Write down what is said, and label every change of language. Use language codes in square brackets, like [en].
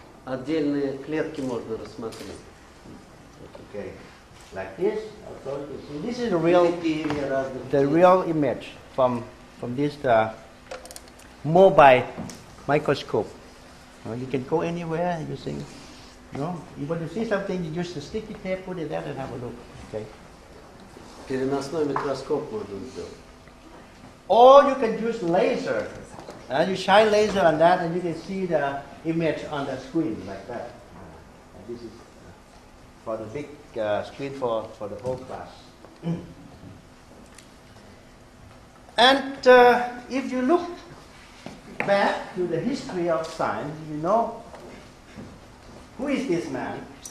[ru] Отдельные клетки можно рассмотреть. [en] Okay, like this. See, this is the real image from this mobile microscope. You can go anywhere using. No, you want to see something? You use the sticky tape, put it there, and have a look. Okay. [ru] Переносной микроскоп можно сделать. [en] Or you can use laser. And you shine laser on that, and you can see the image on the screen like that. And this is for the big screen for the whole class. And if you look back to the history of science, you know who is this man?